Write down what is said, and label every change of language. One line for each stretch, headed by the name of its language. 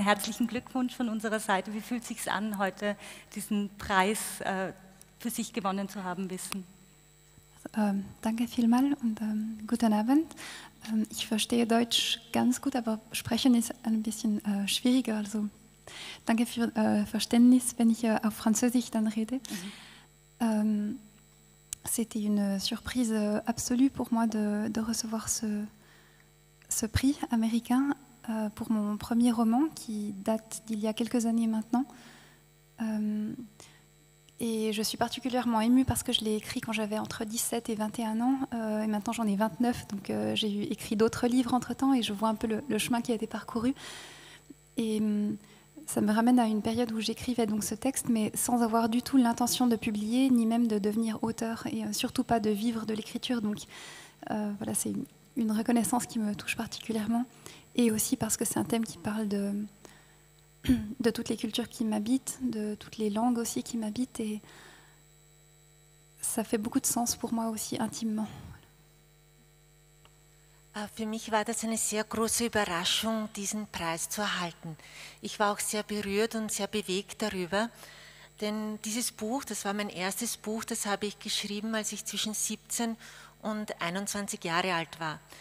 German: Herzlichen Glückwunsch von unserer Seite. Wie fühlt es sich an, heute diesen Preis für sich gewonnen zu haben wissen? Danke vielmals und guten Abend. Ich verstehe Deutsch ganz gut, aber sprechen ist ein bisschen schwieriger. Also danke für Verständnis, wenn ich auf Französisch dann rede. Mm-hmm.
French: C'était une surprise absolue pour moi de recevoir ce prix américain pour mon premier roman qui date d'il y a quelques années maintenant. Et je suis particulièrement émue parce que je l'ai écrit quand j'avais entre 17 et 21 ans et maintenant j'en ai 29, donc j'ai écrit d'autres livres entre-temps et je vois un peu le chemin qui a été parcouru. Ça me ramène à une période où j'écrivais donc ce texte, mais sans avoir du tout l'intention de publier, ni même de devenir auteur, et surtout pas de vivre de l'écriture. Donc voilà, c'est une reconnaissance qui me touche particulièrement. Et aussi parce que c'est un thème qui parle de toutes les cultures qui m'habitent, de toutes les langues aussi qui m'habitent, et ça fait beaucoup de sens pour moi aussi intimement.
German: Für mich war das eine sehr große Überraschung, diesen Preis zu erhalten. Ich war auch sehr berührt und sehr bewegt darüber, denn dieses Buch, das war mein erstes Buch, das habe ich geschrieben, als ich zwischen 17 und 21 Jahre alt war.